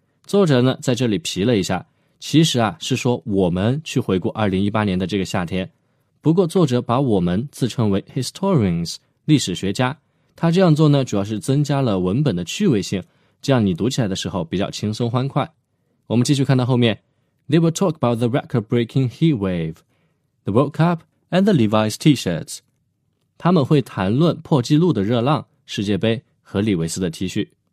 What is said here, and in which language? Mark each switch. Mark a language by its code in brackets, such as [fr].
[zh] 作者呢在这里皮了一下，其实啊是说我们去回顾2018年的这个夏天，不过作者把我们自称为 historians, 历史学家，他这样做呢主要是增加了文本的趣味性，这样你读起来的时候比较轻松欢快。我们继续看到后面， [en] They will talk about the record-breaking heat wave, the World Cup and the Levi's t-shirts. [zh] 他们会谈论破纪录的热浪、世界杯和李维斯的 T 恤。